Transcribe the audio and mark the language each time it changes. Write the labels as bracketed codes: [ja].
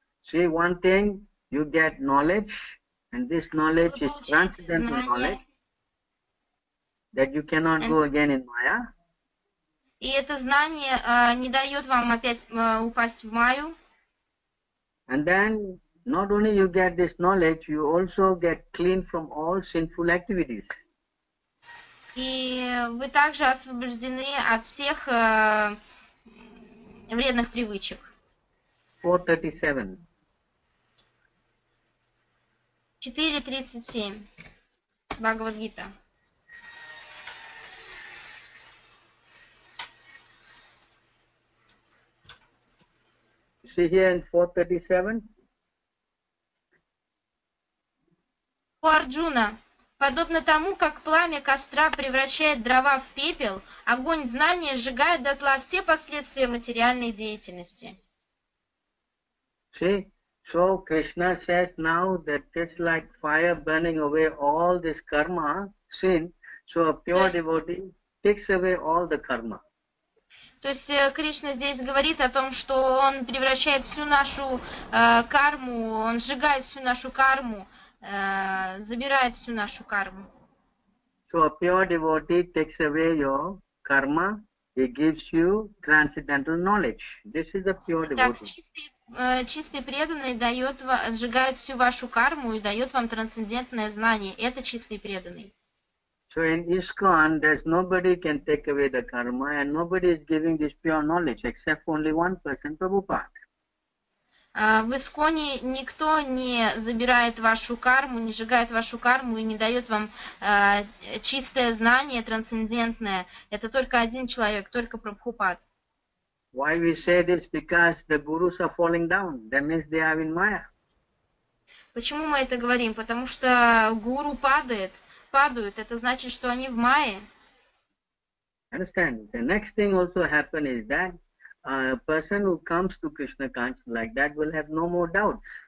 [en] See, one thing, you get knowledge, and this knowledge is transcendental [ru] знания. [en] Knowledge. That you cannot go again in Maya. [ru] И это знание не дает вам опять упасть в маю. [en] And then not only you get this knowledge, you also get clean from all sinful activities. [ru] И вы также освобождены от всех вредных привычек. 4.37 Бхагавад-гита. [en] See here in 4.37. [ru] У Арджуна, подобно тому, как пламя костра превращает дрова в пепел, огонь знания сжигает дотла все последствия материальной деятельности. [en] See, so Krishna says now that just like fire burning away all this karma, sin, so a pure devotee takes away all the karma. [ru] То есть Кришна здесь говорит о том, что он превращает всю нашу карму, он сжигает всю нашу карму, забирает всю нашу карму. [en] So a pure devotee takes away your karma, he gives you transcendental knowledge. This is a pure devotee. [ru] Так, чистый преданный дает, сжигает всю вашу карму и дает вам трансцендентное знание. Это чистый преданный. [en] So in ISKCON, there's nobody can take away the karma, and nobody is giving this pure knowledge except only one person, Prabhupada. [ru] В ИСККОНе никто не забирает вашу карму, не сжигает вашу карму и не дает вам чистое знание, трансцендентное. Это только один человек, только Прабхупада. [en] Why we say this? Because the gurus are falling down. That means they are in Maya. [ru] Почему мы это говорим? Потому что гуру падает. Падают, это значит, что они в мае. [en] Understand? The next thing also happen is that a person who comes to Krishna consciousness like that will have no more doubts.